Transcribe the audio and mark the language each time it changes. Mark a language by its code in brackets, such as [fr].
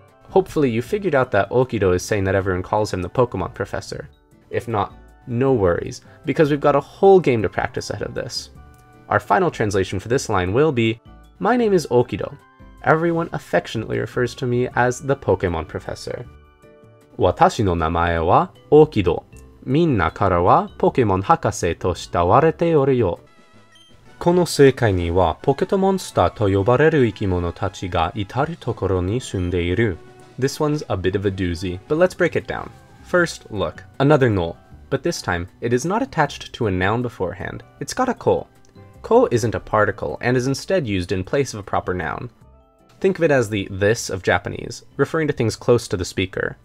[en] Hopefully you figured out that Okido is saying that everyone calls him the Pokemon Professor. If not, no worries, because we've got a whole game to practice ahead of this. Our final translation for this line will be, My name is Okido. Everyone affectionately refers to me as the Pokemon Professor. [ja] 私の名前はオーキド。みんなからはポケモン博士と慕われておるよ。この世界にはポケットモンスターと呼ばれる生き物たちが至るところに住んでいる。 [en] This one's a bit of a doozy, but let's break it down. First, look, another null. But this time, it is not attached to a noun beforehand. It's got a ko. Ko isn't a particle, and is instead used in place of a proper noun. Think of it as the this of Japanese, referring to things close to the speaker.